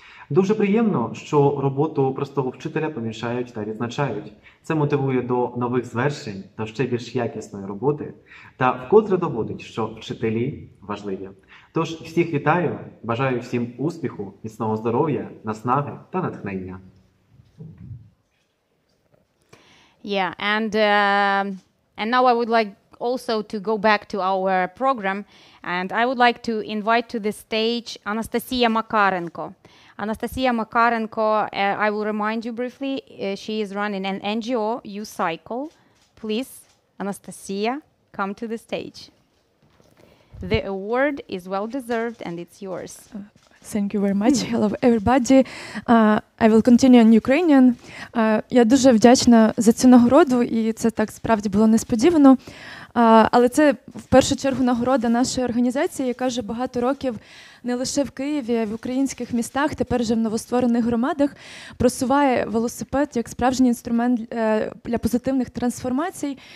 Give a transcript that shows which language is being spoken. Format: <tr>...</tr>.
<uk>Дуже приємно, що роботу простого вчителя помічають та відзначають. Це мотивує до нових звершень та ще більш якісної роботи, та вкотре доводить, що вчителі важливі. Тож всіх вітаю, бажаю всім успіху, міцного здоров'я, наснаги та натхнення.</uk> <en>Yeah, and now I would like also to go back to our program, and I would like to invite to the stage Anastasia Makarenko. Anastasia Makarenko, I will remind you briefly, she is running an NGO, U-Cycle. Please, Anastasia, come to the stage. The award is well-deserved and it's yours. Thank you very much. Hello, everybody. I will continue in Ukrainian.</en> <uk>Я дуже вдячна за цю нагороду, і це так справді було несподівано. Але це в першу чергу нагорода нашої організації, яка вже багато років не лише в Києві, а в українських містах, тепер вже в новостворених громадах, просуває велосипед як справжній інструмент для позитивних трансформацій.</uk>